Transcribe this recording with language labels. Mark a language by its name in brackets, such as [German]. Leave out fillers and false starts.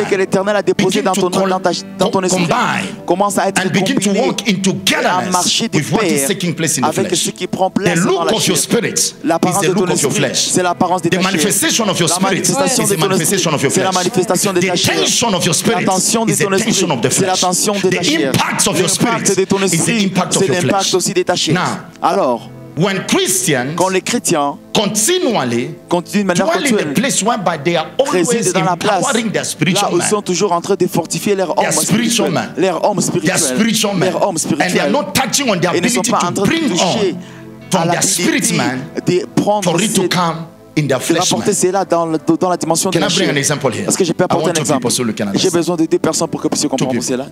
[French] quand ce que l'Éternel a déposé dans ton esprit commence à être combiné, [English] begin to walk in togetherness with what is taking place in the flesh. [French] Avec ce qui prend place dans la chair. [English] The look of your spirit is the look of your flesh. [French] C'est l'apparence de ta chair. [English] The manifestation of your spirit is the manifestation of your flesh. [French] C'est la manifestation de ta chair. [English] The tension of your spirit is the tension of the flesh. [French] C'est la tension de ta chair. [English] The impact of your spirit is the impact of your flesh. [French] Aussi de ta chair. [English] Now, [French] alors, [English] when Christians, [French] quand les chrétiens, [English] continually, dwell in the place whereby they are always empowering their spiritual man. [French] Là où sont toujours en train de fortifier leur homme spirituel. Leur homme spirituel. [English] Their spiritual man. Their [French] homme spirituel. [English] And they are not touching on their ability to bring on from their spirit man for it to come in their flesh. [French] Dans la dimension. [English] Can I bring an example here? [French] Parce que je peux apporter un exemple. [English] So [French] j'ai besoin de deux personnes pour que vous puissiez comprendre cela.